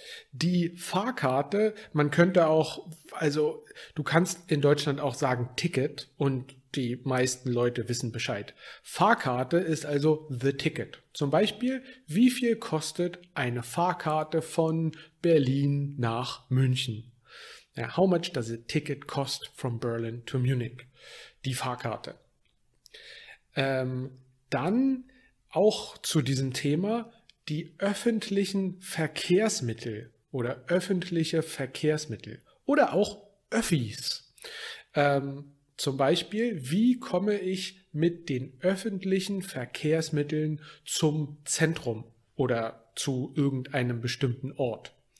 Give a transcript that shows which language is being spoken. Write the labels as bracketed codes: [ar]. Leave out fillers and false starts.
[de] Die Fahrkarte, man könnte auch, also du kannst in Deutschland auch sagen Ticket und die meisten Leute wissen Bescheid. Fahrkarte ist also the ticket. Zum Beispiel, wie viel kostet eine Fahrkarte von Berlin nach München? [en] Ja, how much does a ticket cost from Berlin to Munich? [de] Die Fahrkarte. Dann auch zu diesem Thema die öffentlichen Verkehrsmittel oder öffentliche Verkehrsmittel oder auch Öffis. Zum Beispiel, wie komme ich mit den öffentlichen Verkehrsmitteln zum Zentrum oder zu irgendeinem bestimmten Ort?